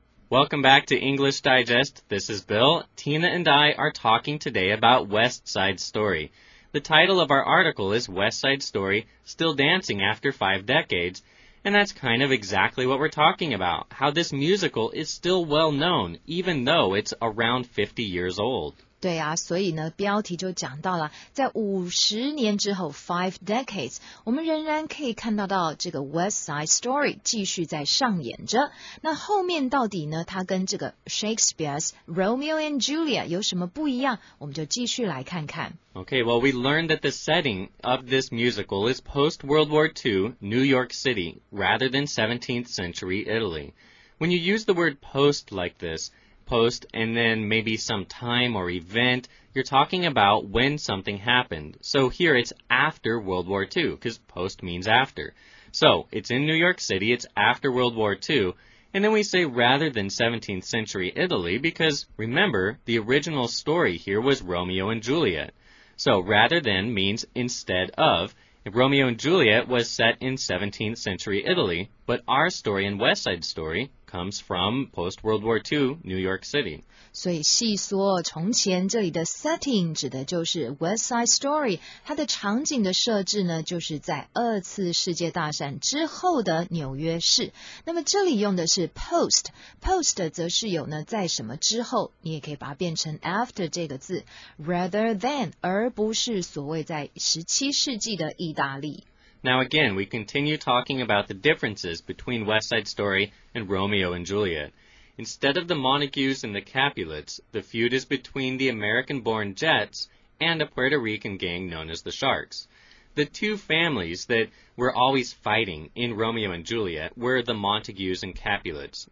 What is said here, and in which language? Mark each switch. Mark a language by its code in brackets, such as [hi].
[en] Welcome back to English Digest. This is Bill. Tina and I are talking today about West Side Story. The title of our article is West Side Story, Still Dancing After 5 Decades. And that's kind of exactly what we're talking about, how this musical is still well known, even though it's around 50 years old. [zh] 对啊，所以呢标题就讲到了在50年之后 5 decades， 我们仍然可以看到这个 West Side Story 继续在上演着。那后面到底呢它跟这个 Shakespeare's Romeo and Juliet 有什么不一样，我们就继续来看看。 [en] Okay, well we learned that the setting of this musical is post-World War II New York City rather than 17th century Italy. When you use the word post like thispost and then maybe some time or event, you're talking about when something happened. So here it's after World War II, because post means after. So it's in New York City, it's after World War II, and then we say rather than 17th century Italy, because remember, the original story here was Romeo and Juliet. So rather than means instead of. Romeo and Juliet was set in 17th century Italy, but our story in West Side Story,comes from post-World War II New York City. [zh] 所以细说从前这里的 setting 指的就是 West Side Story， 它的场景的设置呢就是在二次世界大战之后的纽约市。那么这里用的是 post， post 则是有呢在什么之后，你也可以把它变成 after 这个字， rather than， 而不是所谓在17世纪的意大利。 [en] Now again, we continue talking about the differences between West Side Story and Romeo and Juliet. Instead of the Montagues and the Capulets, the feud is between the American-born Jets and a Puerto Rican gang known as the Sharks. The two families that were always fighting in Romeo and Juliet were the Montagues and Capulets.